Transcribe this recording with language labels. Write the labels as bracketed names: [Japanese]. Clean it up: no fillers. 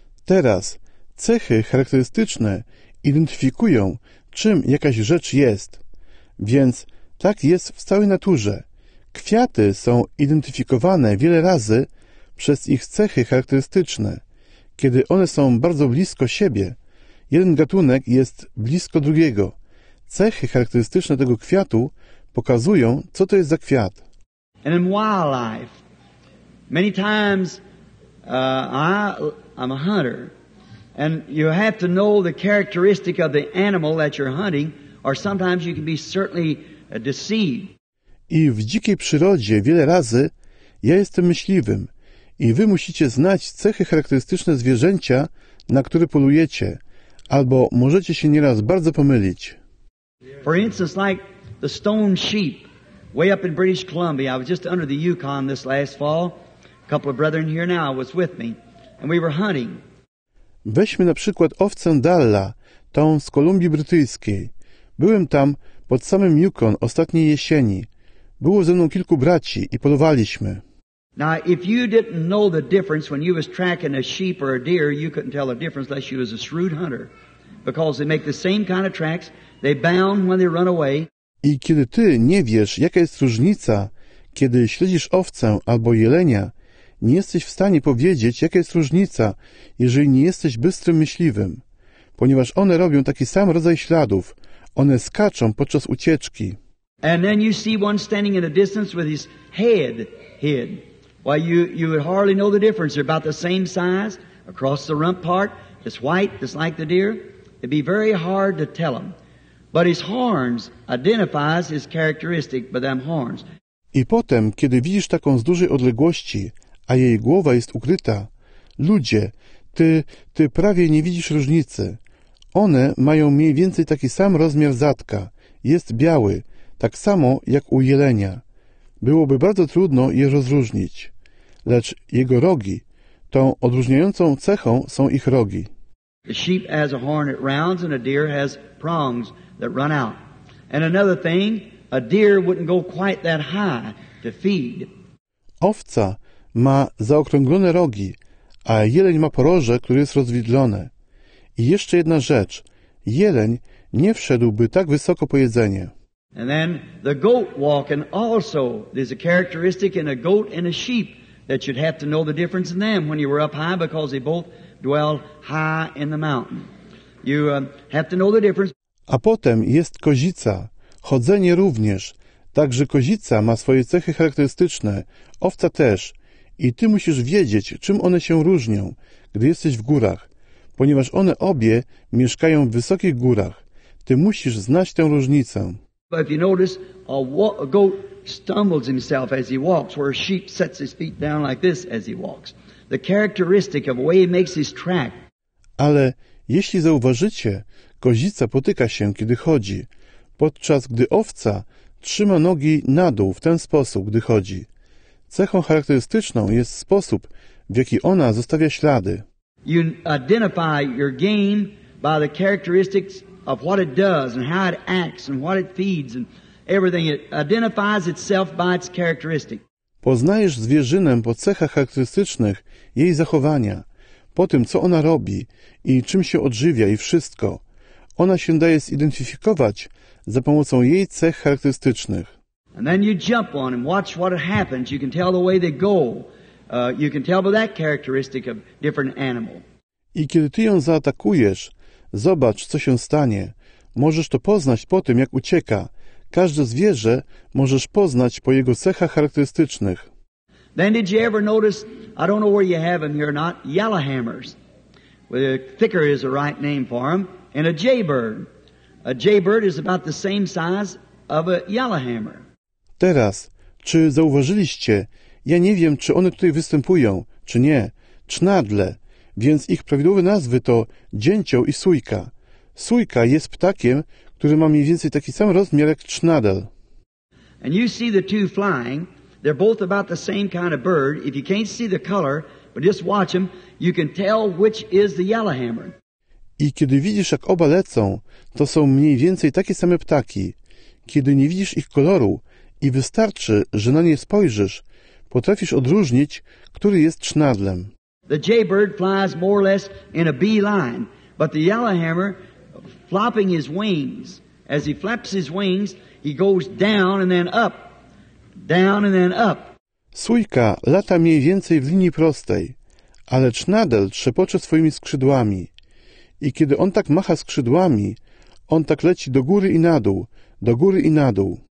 [Polish] Teraz, cechy charakterystyczne identyfikują, czym jakaś rzecz jest. Więc tak jest w całej naturze. Kwiaty są identyfikowane wiele razy przez ich cechy charakterystyczne. Kiedy one są bardzo blisko siebie, jeden gatunek jest blisko drugiego. Cechy charakterystyczne tego kwiatu pokazują, co to jest za kwiat. [English] And in wildlife, many times I'm a hunter, and you have to know the characteristic of the animal that you're hunting, or sometimes you can be certainly deceived. [Polish] I w dzikiej przyrodzie wiele razy ja jestem myśliwym i wy musicie znać cechy charakterystyczne zwierzęcia, na które polujecie, albo możecie się nieraz bardzo pomylić. [English] For instance, like the stone sheep, way up in British Columbia. I was just under the Yukon this last fall. A couple of brethren here now was with me, and we were hunting. [Polish] Weźmy na przykład owcę Dalla, tą z Kolumbii Brytyjskiej. Byłem tam pod samym Yukon ostatniej jesieni. Było ze mną kilku braci i polowaliśmy. [English] Now, if you didn't know the difference when you was tracking a sheep or a deer, you couldn't tell the difference unless you was a shrewd hunter. Because they make the same kind of tracks, they bound when they run away. [Polish] I kiedy ty nie wiesz, jaka jest różnica, kiedy śledzisz owcę albo jelenia, nie jesteś w stanie powiedzieć, jaka jest różnica, jeżeli nie jesteś bystrym myśliwym. Ponieważ one robią taki sam rodzaj śladów. One skaczą podczas ucieczki. [English] And then you see one standing in the distance with his head hid. Well, you would hardly know the difference. They're about the same size across the rump part. It's white, just like the deer. It'd be very hard to tell them. But his horns identifies his characteristic by them horns. [Polish] I potem, kiedy widzisz taką z dużej odległości, a jej głowa jest ukryta, ludzie, ty prawie nie widzisz różnicy. One mają mniej więcej taki sam rozmiar zadka. Jest biały, tak samo jak u jelenia. Byłoby bardzo trudno je rozróżnić. Lecz jego rogi, tą odróżniającą cechą są ich rogi. [English] The sheep has a horn at rounds and a deer has prongs that run out. And another thing, a deer wouldn't go quite that high to feed. [Polish] Owca ma zaokrąglone rogi, a jeleń ma poroże, które jest rozwidlone. I jeszcze jedna rzecz. Jeleń nie wszedłby tak wysoko po jedzenie. [English] And then the goat walking also. There's a characteristic in a goat and a sheep that you'd have to know the difference in them when you were up high because they both dwell high in the mountain. You have to know the difference. [Polish] A potem jest kozica. Chodzenie również. Także kozica ma swoje cechy charakterystyczne. Owca też. I ty musisz wiedzieć, czym one się różnią, gdy jesteś w górach. Ponieważ one obie mieszkają w wysokich górach. Ty musisz znać tę różnicę. [English] But if you notice, a goat stumbles himself as he walks, where a sheep sets his feet down like this as he walks. The characteristic of the way he makes his track. [Polish] Ale jeśli zauważycie, kozica potyka się, kiedy chodzi, podczas gdy owca trzyma nogi na dół w ten sposób, gdy chodzi. Cechą charakterystyczną jest sposób, w jaki ona zostawia ślady. [English] You identify your game by the characteristics of what it does and how it acts and what it feeds and everything. It identifies itself by its characteristic. [Polish] Poznajesz zwierzynę po cechach charakterystycznych jej zachowania, po tym, co ona robi i czym się odżywia i wszystko. Ona się daje zidentyfikować za pomocą jej cech charakterystycznych. [English] And then you jump on and watch what happens. You can tell the way they go. You can tell by that characteristic of different animal. [Polish] I kiedy ty ją zaatakujesz, zobacz, co się stanie. Możesz to poznać po tym, jak ucieka. Każde zwierzę możesz poznać po jego cechach charakterystycznych. [English] Then did you ever notice, I don't know where you have them here or not, yellowhammers. Well, thicker is the right name for them. And a jaybird. A jaybird is about the same size of a yellowhammer. [Polish] Teraz, czy zauważyliście, ja nie wiem, czy one tutaj występują, czy nie, cznadle. więc ich prawidłowe nazwy to dzięcioł i sójka. Sójka jest ptakiem, który ma mniej więcej taki sam rozmiar jak trznadel. [English] And you see the two flying, they're both about the same kind of bird. If you can't see the color, but just watch them, you can tell which is the yellowhammer. [Polish] I kiedy widzisz, jak oba lecą, to są mniej więcej takie same ptaki. Kiedy nie widzisz ich koloru i wystarczy, że na nie spojrzysz, potrafisz odróżnić, który jest trznadlem. [English] The jaybird flies more or less in a bee line, but the yellowhammer, flapping his wings, as he flaps his wings, he goes down and then up, down and then up. [Polish] Sójka lata mniej więcej w linii prostej, ale trznadel trzepocze swoimi skrzydłami. I kiedy on tak macha skrzydłami, on tak leci do góry i na dół, do góry i na dół.